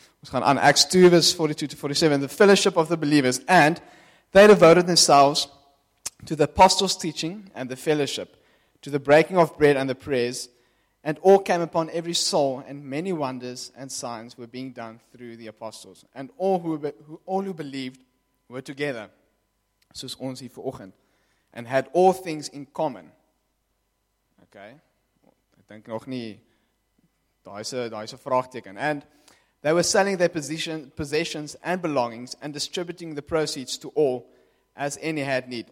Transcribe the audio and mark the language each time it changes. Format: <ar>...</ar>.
<af>Ons gaan aan</af> <en>Acts 2:42-47, the fellowship of the believers and they devoted themselves to the apostles' teaching and the fellowship, to the breaking of bread and the prayers, and all came upon every soul, and many wonders and signs were being done through the apostles. And all who believed were together,</en> <af>soos ons hier vanoggend,</af> <en>and had all things in common.</en> <af>Okay, ek dink nog nie, daai is 'n vraagteken.</af> <en>And they were selling their possessions and belongings, and distributing the proceeds to all, as any had need.</en>